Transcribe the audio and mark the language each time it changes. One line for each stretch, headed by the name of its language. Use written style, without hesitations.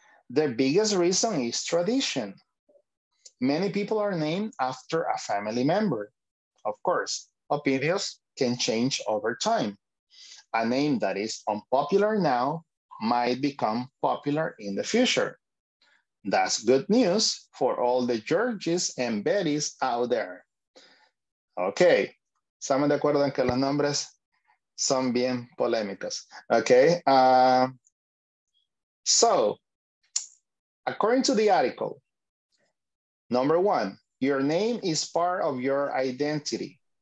English: The biggest reason is tradition. Many people are named after a family member. Of course, opinions can change over time. A name that is unpopular now might become popular in the future. That's good news for all the Georges and Bettys out there.
Spanish: Okay, ¿estamos de acuerdo en que los nombres son bien polémicos?
English: Okay, so according to the article, number one, your name is part of your identity.